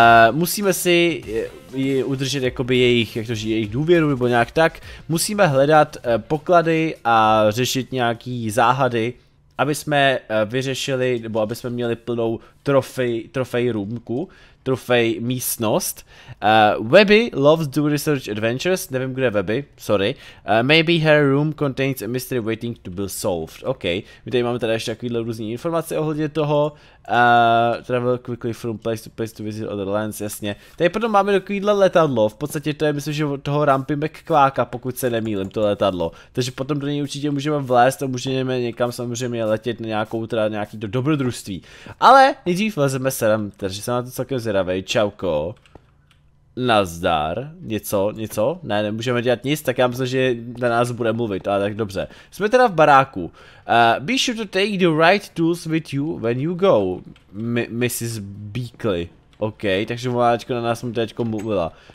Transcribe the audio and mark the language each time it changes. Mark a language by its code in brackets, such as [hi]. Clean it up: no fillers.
[cs] Musíme si ji udržet jakoby jejich, jak to říct, jejich důvěru nebo nějak tak. Musíme hledat poklady a řešit nějaký záhady, aby jsme vyřešili, nebo aby jsme měli plnou trofej roomku, trofej místnost. [en] Webby loves doing research adventures, [cs] nevím kde je Webby, [en] sorry. Maybe her room contains a mystery waiting to be solved. [cs] Ok, my tady máme teda ještě takovýhle různý informace ohledně toho. [en] Travel quickly from place to visit other lands, [cs] jasně. Tady potom máme takovýhle letadlo, v podstatě to je myslím, že toho Rampy McQuacka, pokud se nemýlím, to letadlo. Takže potom do něj určitě můžeme vlézt a můžeme někam samozřejmě letět na nějakou teda nějaký to dobrodružství. Ale nejdřív vlezeme sem, takže se na to celkem zvědavej, čauko. Nazdar, něco, ne, nemůžeme dělat nic, tak já myslím, že na nás bude mluvit, ale tak dobře. Jsme teda v baráku. [en] Be sure to take the right tools with you when you go, Mrs. Beakley. [cs] Ok, takže voláčko na nás mu teďko mluvila.